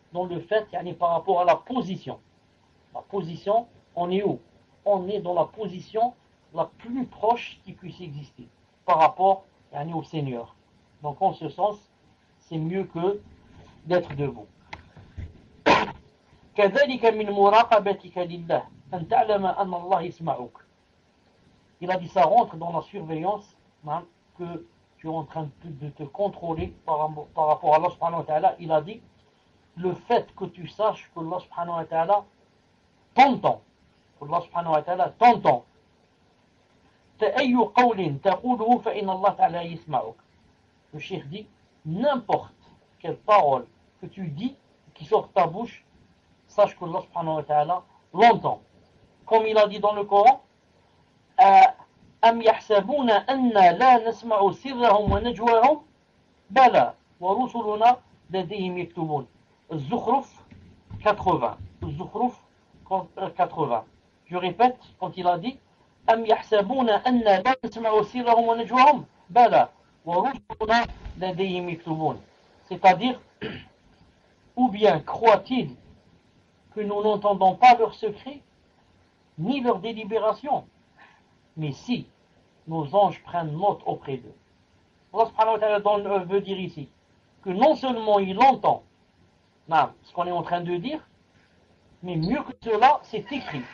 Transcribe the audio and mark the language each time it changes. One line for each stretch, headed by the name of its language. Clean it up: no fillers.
French: Dans le fait, il y a par rapport à la position. La position, on est où? On est dans la position la plus proche qui puisse exister, par rapport yani, au Seigneur. Donc en ce sens, c'est mieux que d'être debout.
Arabic: كذلك من مراقبتك لله أن تعلم أن الله يسمعك.
French: Il a dit ça rentre dans la surveillance hein, que tu es en train de te contrôler par rapport à Allah subhanahu wa ta'ala. Il a dit le fait que tu saches que Allah subhanahu wa ta'ala t'entend. Que Allah subhanahu wa ta'ala t'entend.
Arabic: فأي قول تقوله فإن الله تعالى يسمعك.
French: Le cheikh dit n'importe quelle parole que tu dis qui sort de ta bouche, sache que Allah subhanahu wa ta'ala l'entend. Comme il a dit dans le Coran,
Arabic: أَمْ يَحْسَبُونَ أَنَّا لَا نَسْمَعُ سِرَّهُمْ وَنَجْوَهُمْ بَلَا وَرُسُلُنَا لَدَيْهِمْ يَكْتُبُونَ.
French: Zuhruf 80. Zuhruf 80. Je répète quand il a dit
Arabic: أَمْ يَحْسَبُونَ أَنَّا لَا نَسْمَعُ سِرَّهُمْ وَنَجْوَهُمْ بَلَا وَرُسُلُنَا لَدَيْهِمْ يَكْتُبُونَ.
French: C'est-à-dire, ou bien croit-il que nous n'entendons pas leurs secrets, ni leurs délibérations. Mais si, nos anges prennent note auprès d'eux. Allah subhanahu wa ta'ala veut dire ici, que non seulement il entend ce qu'on est en train de dire, mais mieux que cela, c'est écrit.